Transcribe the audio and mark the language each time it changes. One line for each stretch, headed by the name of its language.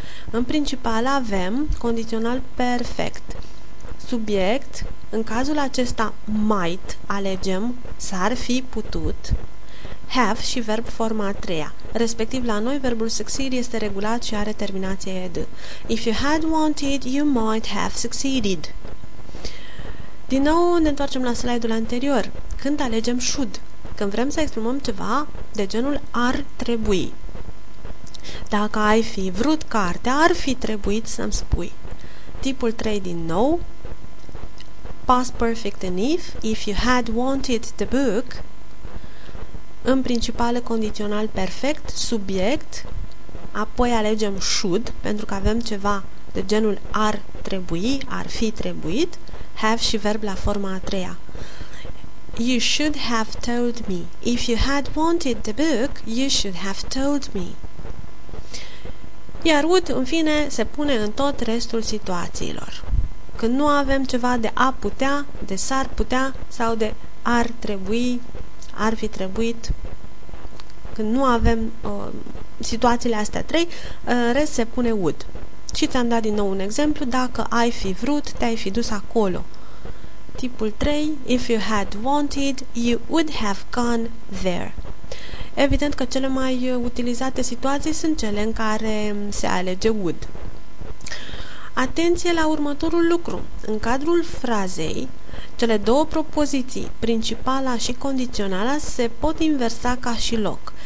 Romanian: În principal avem condițional perfect. Subiect, în cazul acesta might, alegem s-ar fi putut, have și verb forma a treia. Respectiv la noi, verbul succeed este regulat și are terminație ed.
English: If you had wanted, you might have succeeded.
Romanian: Din nou ne întoarcem la slide-ul anterior. Când alegem should, când vrem să exprimăm ceva de genul ar trebui. Dacă ai fi vrut cartea, ar fi trebuit să-mi spui. Tipul 3 din nou. Past perfect in
English: if you had wanted the book,
Romanian: în principală condițional perfect, subiect, apoi alegem should, pentru că avem ceva de genul ar trebui, ar fi trebuit, have și verb la forma a treia.
English: You should have told me. If you had wanted the book, you should have told me.
Romanian: Iar would, în fine, se pune în tot restul situațiilor. Când nu avem ceva de a putea, de s-ar putea sau de ar trebui, ar fi trebuit, când nu avem situațiile astea trei, rest se pune would. Și ți-am dat din nou un exemplu, dacă ai fi vrut, te-ai fi dus acolo. Tipul 3,
English: if you had wanted, you would have gone there.
Romanian: Evident că cele mai utilizate situații sunt cele în care se alege would. Atenție la următorul lucru. În cadrul frazei, cele două propoziții, principala și condiționala, se pot inversa ca și loc.